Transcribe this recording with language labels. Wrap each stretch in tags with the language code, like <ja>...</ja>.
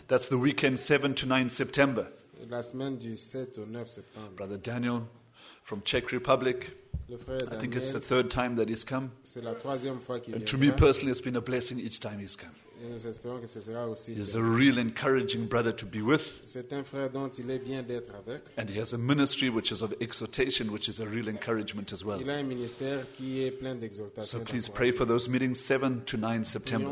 <en>That's the weekend 7 to 9 September.</en> <fr>La semaine du 7 au 9 septembre.</fr> <en>Brother Daniel from Czech Republic.</en> <fr>Le frère Daniel,</fr> <en>I think it's the third time that he's come.</en> <fr>C'est la troisième fois qu'il</fr> <en>and</en> <fr>viendra.</fr> <en>To me personally, it's been a blessing each time he's come.</en> <fr>Et nous espérons que ce sera aussi</fr> <en>he's a real encouraging brother to be with.</en> <fr>C'est un frère dont il est bien d'être avec.</fr> <en>And he has a ministry which is of exhortation, which is a real encouragement as well.</en> <fr>Il a un ministère qui est plein d'exhortation.</fr> <en>So please pray for those meetings 7 to 9 September.</en>